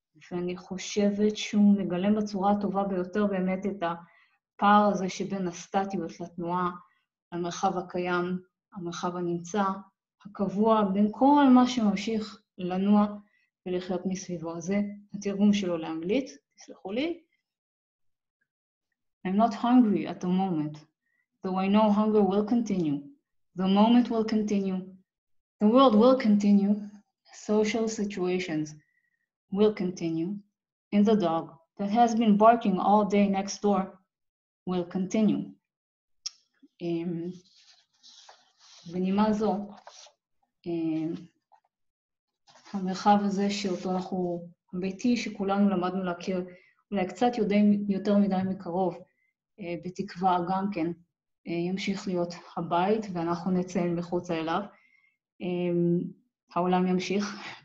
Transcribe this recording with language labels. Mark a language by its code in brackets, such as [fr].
[he] ואני חושבת שהוא מגלם בצורה הטובה ביותר באמת את הפער הזה שבין הסטטיות לתנועה, המרחב הקיים, המרחב הנמצא, הקבוע, בין כל מה שממשיך לנוע ולחיות מסביבו הזה. התרגום שלו לאנגלית, תסלחו לי. [en] I'm not hungry at the moment, though I know hunger will continue. The moment will continue. The world will continue. Social situations will continue, and the dog that has been barking all day next door will continue. [he] בנימה זו, המרחב הזה שאותו אנחנו, הביתי שכולנו למדנו להכיר, אולי קצת יותר מדי מקרוב, בתקווה גם כן, ימשיך להיות הבית, ואנחנו נצא מחוץ אליו. העולם ימשיך.